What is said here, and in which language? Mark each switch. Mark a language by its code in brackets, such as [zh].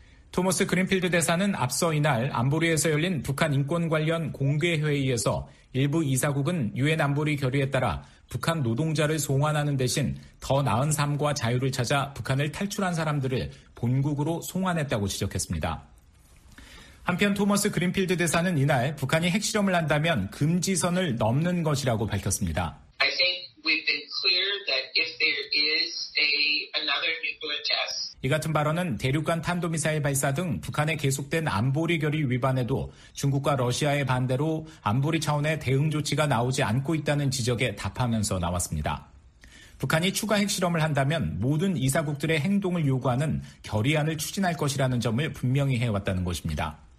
[ko] 토머스 그린필드 대사는 앞서 이날 안보리에서 열린 북한 인권 관련 공개회의에서 일부 이사국은 유엔 안보리 결의에 따라 북한 노동자를 송환하는 대신 더 나은 삶과 자유를 찾아 북한을 탈출한 사람들을 본국으로 송환했다고 지적했습니다. 한편 토머스 그린필드 대사는 이날 북한이 핵실험을 한다면 금지선을 넘는 것이라고 밝혔습니다. [en] I think we've been clear that if there is another nuclear test. [ko] 이 같은 발언은 대륙간 탄도미사일 발사 등 북한의 계속된 안보리 결의 위반에도 중국과 러시아의 반대로 안보리 차원의 대응 조치가 나오지 않고 있다는 지적에 답하면서 나왔습니다. 북한이 추가 핵실험을 한다면 모든 이사국들의 행동을 요구하는 결의안을 추진할 것이라는 점을 분명히 해왔다는 것입니다.